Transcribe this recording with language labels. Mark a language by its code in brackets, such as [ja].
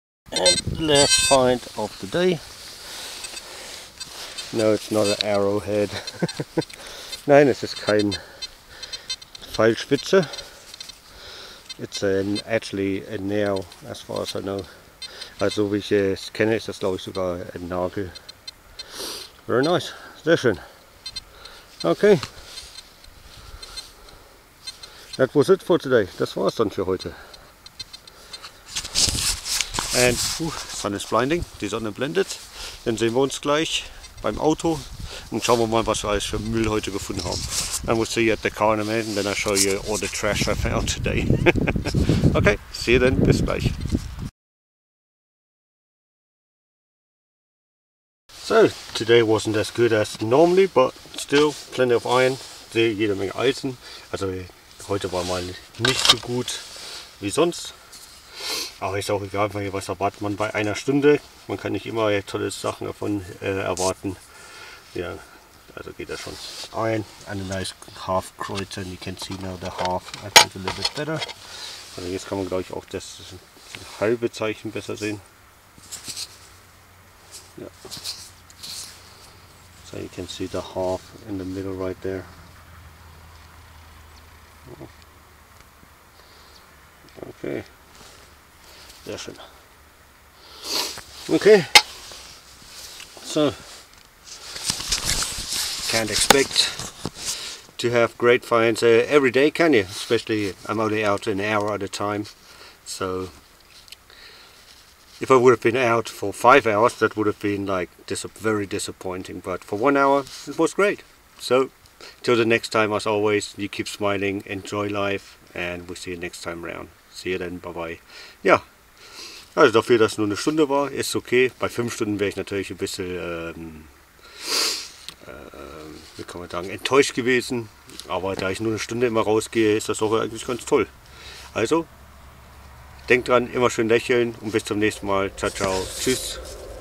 [en] And last find of the day. No, it's not an arrowhead. [de] Nein, es ist kein Pfeilspitze. [en] It's actually a nail, as far as I know. [de] Also, wie ich es kenne, ist das, glaube ich, sogar ein Nagel. [en] Very nice. [de] Sehr schön. [en] Okay. That was it for today. [de] Das war es dann für heute. [en] And, Sun is blinding. [de] Die Sonne blendet. Dann sehen wir uns gleich beim Auto und schauen wir mal, was wir alles für Müll heute gefunden haben. [en] And we'll see you at the car in a minute, and then I'll show you all the trash I found today. Okay, see you then. [de] Bis gleich. [en] So, today wasn't as good as normally, but still plenty of iron. [de] Jede Menge Eisen. Also, heute war mal nicht so gut wie sonst. Aber ist auch egal, was erwartet man bei einer Stunde. Man kann nicht immer tolle Sachen davon erwarten. Ja, also geht das schon. [en] Iron and a nice half Kreuzer, and you can see now the half I think a little bit better. [de] Also jetzt kann man glaube ich auch das halbe Zeichen besser sehen. Ja. [en] So you can see the half in the middle right there. [de] Okay. Sehr schön. Okay. So. [en] Can't expect to have great finds every day, can you? Especially I'm only out an hour at a time. So if I would have been out for 5 hours, that would have been like very disappointing. But for 1 hour, it was great. So till the next time, as always, you keep smiling, enjoy life, and we'll see you next time around. See you then. Bye bye. Yeah. [de] Also dafür, dass es nur eine Stunde war, ist okay. Bei 5 Stunden wäre ich natürlich ein bisschen, wie kann man sagen, enttäuscht gewesen. Aber da ich nur eine Stunde immer rausgehe, ist das auch eigentlich ganz toll. Also, denkt dran, immer schön lächeln und bis zum nächsten Mal. Ciao, ciao. Tschüss.